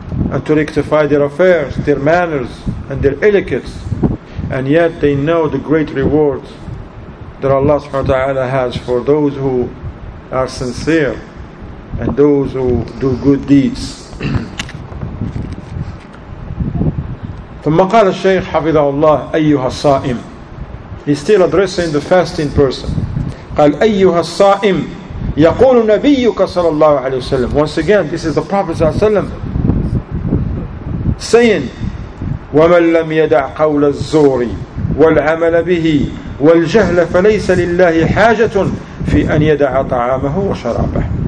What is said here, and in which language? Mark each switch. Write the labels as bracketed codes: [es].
[en] And to rectify their affairs, their manners, and their etiquettes. And yet they know the great rewards that Allah subhanahu wa ta'ala has for those who are sincere and those who do good deeds. [ar] ثم قال الشيخ حفظه الله أيها الصائم. [en] He's still addressing the fasting person. [ar] قال أيها الصائم يقول نبيك صلى الله عليه وسلم. [en] Once again, this is the Prophet [ar] صلى الله عليه وسلم saying, ومن لم يدع قول الزور والعمل به والجهل فليس لله حاجة في أن يدع طعامه وشرابه.